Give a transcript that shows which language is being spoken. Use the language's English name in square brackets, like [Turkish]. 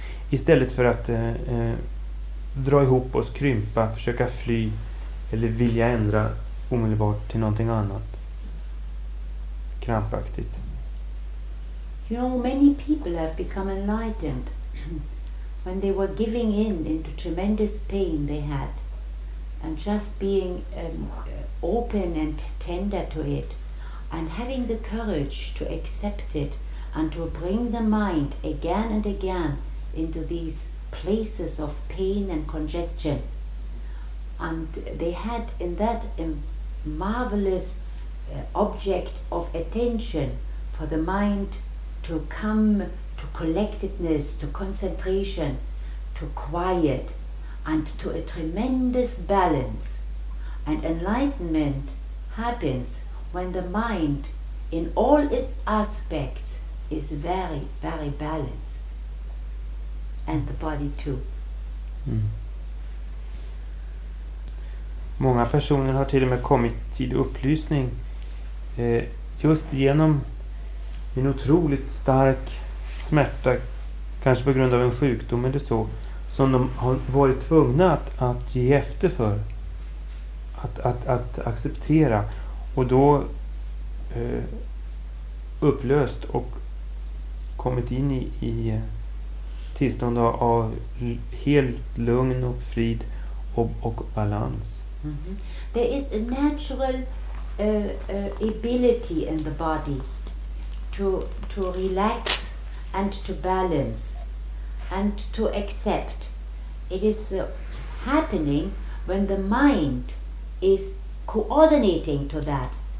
[Swedish] Istället för att dra ihop oss, krympa, försöka fly eller vilja ändra omedelbart till någonting annat. [English] You know, many people have become enlightened when they were giving in into tremendous pain they had, and just being open and tender to it, and having the courage to accept it, and to bring the mind again and again into these places of pain and congestion. And they had in that marvelous object of attention for the mind to come to collectedness, to concentration, to quiet, and to a tremendous balance. And enlightenment happens when the mind in all its aspects is very, very balanced, and the body too. [Swedish] Många personer har till och med kommit till upplysning just genom en otroligt stark smärta, kanske på grund av en sjukdom eller så, som de har varit tvungna att ge efter för, att acceptera, och då upplöst och kommit in i tillstånd av helt lugn och frid och balans. Mm-hmm. [English] There is a natural ability in the body to relax and to balance and to accept. It is happening when the mind is coordinating to that.